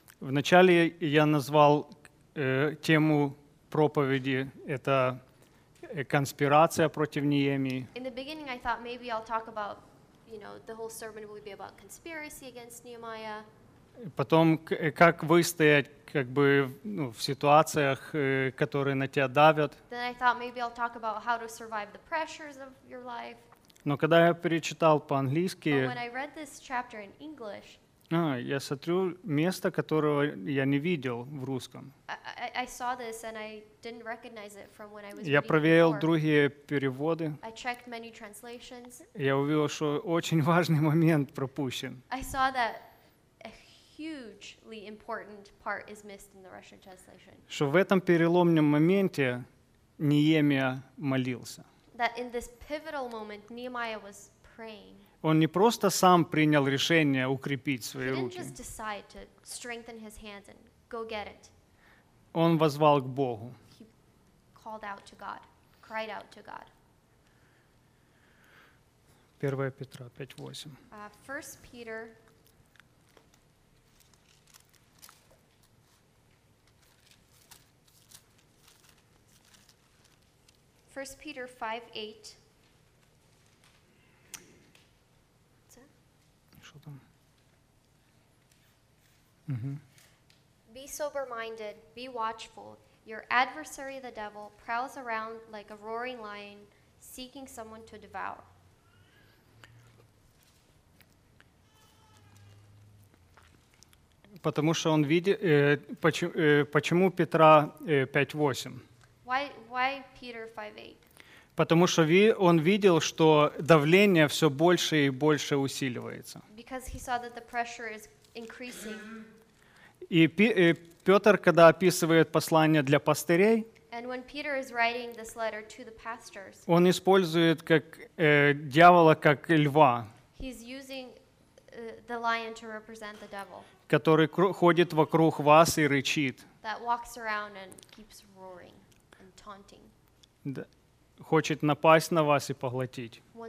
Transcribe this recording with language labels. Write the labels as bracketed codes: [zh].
[ru] Вначале я назвал тему проповеди, это конспирация против Неемии. [en] In the beginning, I thought maybe I'll talk about, you know, the whole sermon would be about conspiracy against Nehemiah. [ru] Потом, как выстоять, как бы, ну, в ситуациях, которые на тебя давят. [en] Then I thought maybe I'll talk about how to survive the pressures of your life. [ru] Но когда я перечитал по-английски, [en] when I read this chapter in English, [ru] Я смотрю место, которого я не видел в русском. [en] I saw this and I didn't recognize it from when I was reading before. [ru] Я проверил другие переводы. [en] I checked many translations. [ru] Я увидел, что очень важный момент пропущен. [en] I saw that a hugely important part is missed in the Russian translation. [ru] Что в этом переломном моменте Неемия молился. [en] That in this pivotal moment Nehemiah was praying. [ru] Он не просто сам принял решение укрепить свои руки. [en] He didn't just decide to strengthen his hands and go get it. [ru] Он воззвал к Богу. [en] He called out to God, cried out to God. [ru] 1 Петра 5:8. [en] 1 Peter 1 Peter 5:8. Be sober-minded, be watchful. Your adversary, the devil, prowls around like a roaring lion, seeking someone to devour. [ru] Потому что он видит, почему Петра 5:8? [en] Why Peter 5:8? [ru] Потому что он видел, что давление все больше и больше усиливается. [en] Because he saw that the pressure is increasing. [ru] И Петр, когда описывает послание для пастырей, [en] and when Peter is writing this letter to the pastors, [ru] он использует как дьявола, как льва, [en] he's using the lion to represent the devil, [ru] который ходит вокруг вас и рычит. [en] That walks around and keeps roaring and taunting. [ru] Да. Хочет напасть на вас и поглотить.